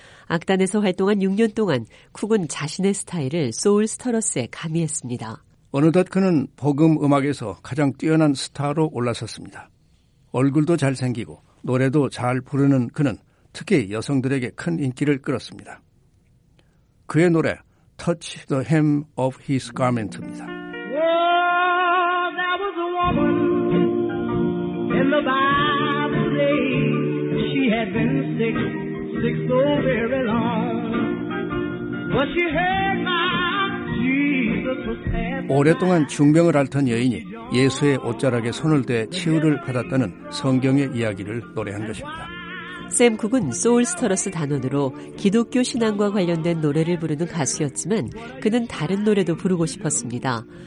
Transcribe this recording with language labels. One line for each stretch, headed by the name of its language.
Korean: 악단에서 활동한 6년 동안 쿡은 자신의 스타일을 소울 스타러스에 가미했습니다. 어느덧 그는 복음 음악에서 가장 뛰어난 스타로 올라섰습니다. 얼굴도 잘생기고 노래도 잘 부르는 그는 특히 여성들에게 큰 인기를 끌었습니다. 그의 노래 Touch the Hem of His Garment입니다.
English: Oh, there was a woman in the Bible day. She had been sick so very long. But she heard my Jesus was passing.
Korean: 오랫동안 중병을 앓던 여인이 예수의 옷자락에 손을 대 치유를 받았다는 성경의 이야기를 노래한 것입니다. 샘 쿡은 소울스터러스 단원으로 기독교 신앙과 관련된 노래를 부르는 가수였지만 그는 다른 노래도 부르고 싶었습니다.